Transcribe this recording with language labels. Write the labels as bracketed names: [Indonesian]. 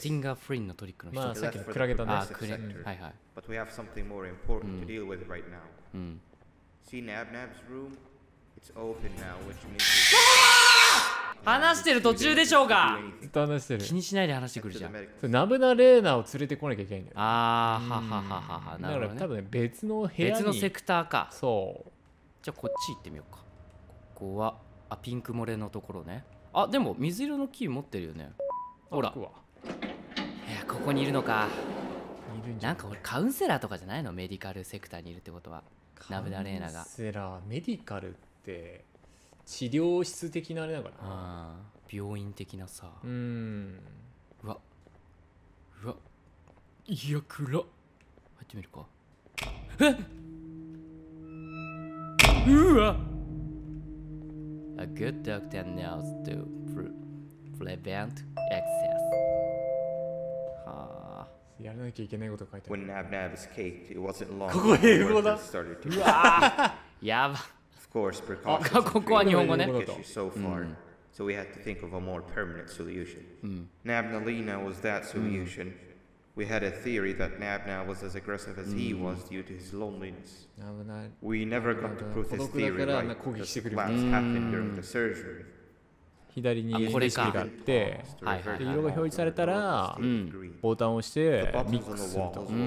[Japanese] Stinger Flynn のトリックの一つ。まあ、さっきのクラゲだね。あ、クレ、はいはい。 [English] But we have something more important to deal with right now. See Nab-Nab's room? It's open now, which means. [Japanese] 話してる途中でしょうか。ずっと話してる。気にしないで話してくるじゃん。それナブナレーナを連れてこなきゃいけないんだよ。ああ、ははははは。なるほどね。だから多分別の部屋に。別のセクターか。そう。じゃあこっち行ってみようか。ここは、あ、ピンク漏れのところね。あ、でも水色のキー持ってるよね。ほら、ここにいるのか。いるんじゃない。なんか俺カウンセラーとかじゃないの、メディカルセクターにいるってことは。ナブダレーナが。カウンセラー、メディカルって治療室的なあれだから。ああ、病院的なさ。うわ、うわ、いや暗。入ってみるか。え？うわ。 [English] A good doctor knows to prevent excess。 [Japanese] やらなきゃいけないこと書いてある。 [English] When Nab-Nab escaped, it wasn't long [Japanese] ここ英語だ。うわあ、やば。 [English] Of course, precautions. [Japanese] ここは日本語ね。 [English] So far, so we had to think of a more permanent solution. Nabnalina was that solution. We had a theory that Nab-Nab was as aggressive as he was due to his loneliness. We never got to prove this theory right. Because the collapse happened during the surgery. [Japanese] 左に USB があって、はいはいはい、色が表示されたら、うん、ボタンを押してミックスと、